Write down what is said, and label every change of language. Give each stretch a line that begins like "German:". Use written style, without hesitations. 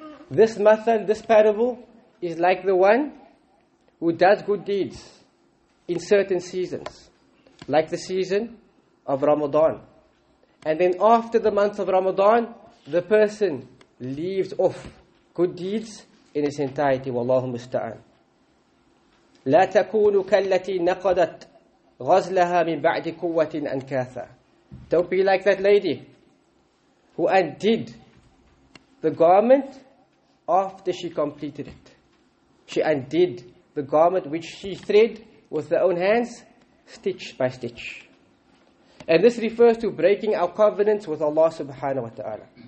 English: This mathal, this parable, is like the one who does good deeds in certain seasons, like the season of Ramadan. And then after the month of Ramadan, the person leaves off good deeds in its entirety. Wallahu musta'an.
Arabic: لا تكونوا كالتي نقضت غزلها من بعد قوة أنكاثا.
English: Don't be like that lady who undid the garment after she completed it. She undid the garment which she thread with her own hands, stitch by stitch. And this refers to breaking our covenants with Allah subhanahu wa ta'ala.